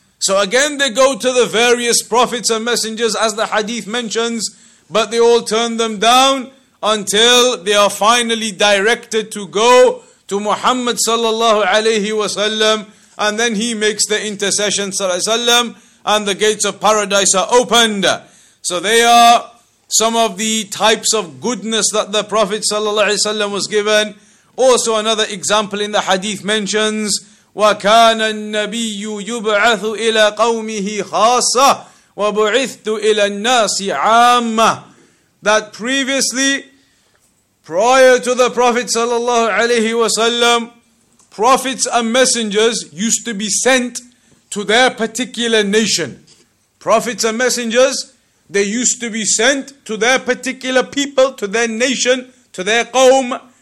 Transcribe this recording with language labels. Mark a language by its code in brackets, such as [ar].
[en] So again, they go to the various prophets and messengers as the hadith mentions, but they all turn them down until they are finally directed to go to Muhammad sallallahu alayhi wasallam, and then he makes the intercession sallallahu alayhi wasallam, and the gates of paradise are opened. So they are some of the types of goodness that the Prophet ﷺ was given. Also another example in the hadith mentions, [ar] وَكَانَ النَّبِيُّ يُبْعَثُ إِلَىٰ قَوْمِهِ خَاصَّةِ وَبُعِثْتُ إِلَىٰ النَّاسِ عَامَّةِ. [en] That previously, prior to the Prophet ﷺ, prophets and messengers used to be sent to their particular nation. Prophets and messengers, they used to be sent to their particular people, to their nation, to their qawm.